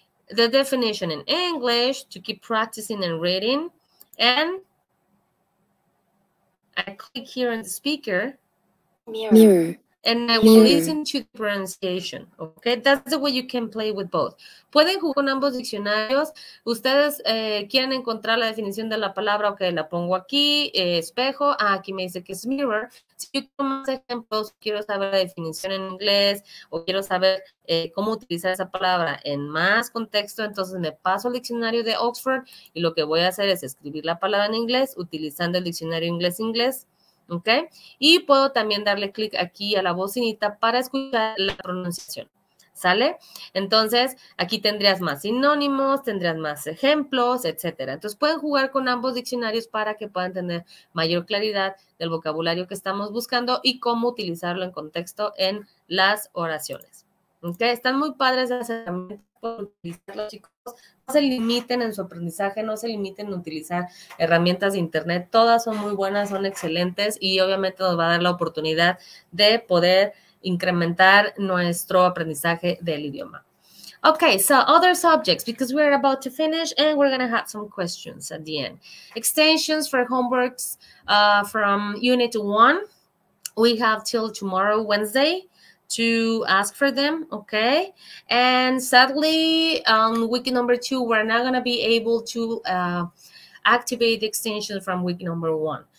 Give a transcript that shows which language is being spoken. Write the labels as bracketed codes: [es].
[en] The definition in English to keep practicing and reading. And I click here on the speaker. Mirror. And I will listen to the pronunciation. Okay. That's the way you can play with both. [es] Pueden jugar con ambos diccionarios. Ustedes quieren encontrar la definición de la palabra. Okay. La pongo aquí. Espejo. Ah, aquí me dice que es mirror. Si yo quiero más ejemplos, quiero saber la definición en inglés o quiero saber cómo utilizar esa palabra en más contexto, entonces me paso al diccionario de Oxford y lo que voy a hacer es escribir la palabra en inglés utilizando el diccionario inglés-inglés. ¿Ok? Y puedo también darle clic aquí a la bocinita para escuchar la pronunciación. ¿Sale? Entonces, aquí tendrías más sinónimos, tendrías más ejemplos, etcétera. Entonces, pueden jugar con ambos diccionarios para que puedan tener mayor claridad del vocabulario que estamos buscando y cómo utilizarlo en contexto en las oraciones. ¿Ok? Están muy padres de hacer también por utilizarlo, chicos. No se limiten en su aprendizaje, no se limiten en utilizar herramientas de internet. Todas son muy buenas, son excelentes y obviamente nos va a dar la oportunidad de poder incrementar nuestro aprendizaje del idioma. [en] Okay, so other subjects, because we're about to finish and we're going to have some questions at the end. Extensions for homeworks from Unit 1. We have till tomorrow, Wednesday, to ask for them, okay? And sadly, week number 2, we're not gonna be able to activate the extension from week number 1.